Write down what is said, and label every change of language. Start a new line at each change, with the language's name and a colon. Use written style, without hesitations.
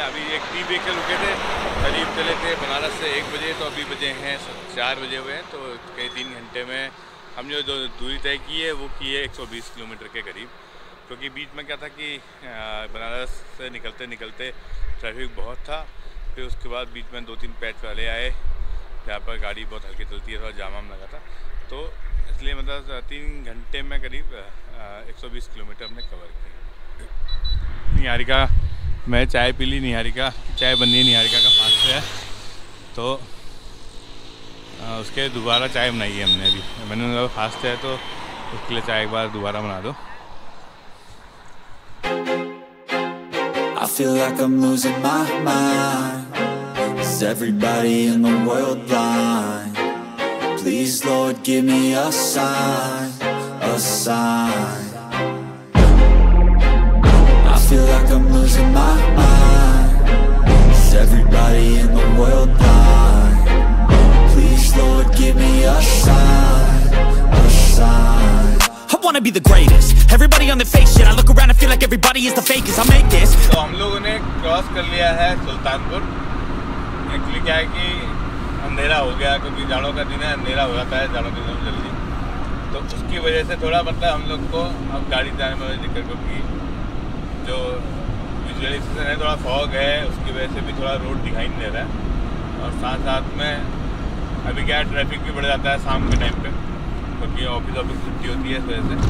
Hindi: अभी एक T vehicle रुके थे, करीब चले थे बनारस से 1 बजे, तो अभी बजे हैं 4 बजे हुए हैं, तो कई 3 घंटे में हम जो दूरी तय की है वो की है 120 किलोमीटर के करीब, क्योंकि बीच में क्या था कि बनारस से निकलते निकलते ट्रैफिक बहुत था, फिर उसके बाद बीच में 2-3 पैच वाले आए जहाँ पर गाड़ी बहुत हल्की चलती है, थोड़ा जाम लगा था, तो इसलिए मतलब 3 घंटे में करीब 120 किलोमीटर हमने कवर किया। निहारिका मैं चाय पी ली, निहारिका चाय बन रही है, निहारिका का फास्ट है, तो उसके दोबारा चाय बनाई है हमने अभी, मैंने उनका फास्ट है तो उसके लिए चाय एक बार दोबारा बना दो।
English: I feel like I'm losing my mind. Is everybody in the world blind? Please Lord give me a sign, a sign. I feel like I'm losing my mind. Is everybody in the world blind? Please Lord give me a sign, a sign. I wanna be the greatest. Everybody on their face shit. I look around and feel like everybody is the fakest. I make this.
Hindi: तो हम लोगों ने cross कर लिया है Sultanpur. Actually क्या है कि अंधेरा हो गया, क्योंकि जाड़ों का दिन है, अंधेरा हो जाता है जाड़ों के दिन जल्दी, तो उसकी वजह से थोड़ा मतलब हम लोग को अब गाड़ी जाने में दिक्कत, क्योंकि जो विजुअलाइजेशन है थोड़ा फॉग है, उसकी वजह से भी थोड़ा रोड दिखाई नहीं दे रहा है, और साथ साथ में अभी क्या ट्रैफिक भी बढ़ जाता है शाम के टाइम पे, क्योंकि ऑफिस छुट्टी होती है इस वजह से।